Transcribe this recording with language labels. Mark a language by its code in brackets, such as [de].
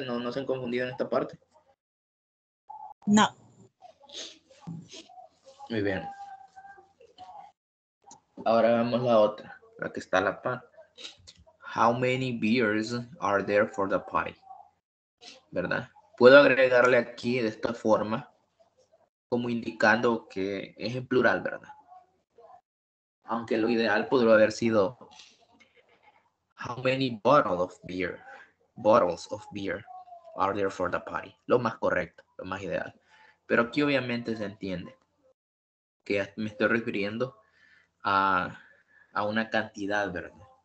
[es] ¿No, no se han confundido en esta parte? No. Muy bien. Ahora vemos la otra, la que está a la par. [en] How many beers are there for the party? [es] ¿Verdad? Puedo agregarle aquí de esta forma, como indicando que es en plural, ¿verdad? Aunque lo ideal podría haber sido [en] How many bottles of beer are there for the party? [es] Lo más correcto, lo más ideal. Pero aquí obviamente se entiende que me estoy refiriendo a una cantidad, ¿verdad?